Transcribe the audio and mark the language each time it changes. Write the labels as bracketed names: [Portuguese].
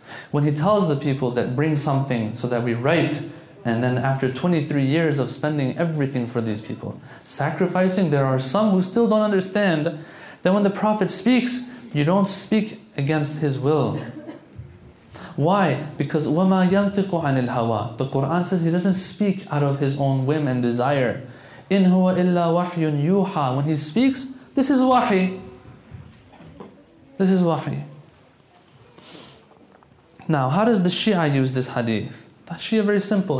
[English] When he tells the people that bring something so that we write, and then after 23 years of spending everything for these people, sacrificing, there are some who still don't understand that when the Prophet speaks, you don't speak against his will. Why? Because [Arabic] وَمَا يَنْتِقُ عَنِ الْهَوَى. [English] The Quran says he doesn't speak out of his own whim and desire. [Arabic] إِنْ هُوَ إِلَّا وَحْيٌ يُوحَى. [English] When he speaks, this is wahi. This is wahi. Now, how does the Shia use this hadith? The Shia, very simple.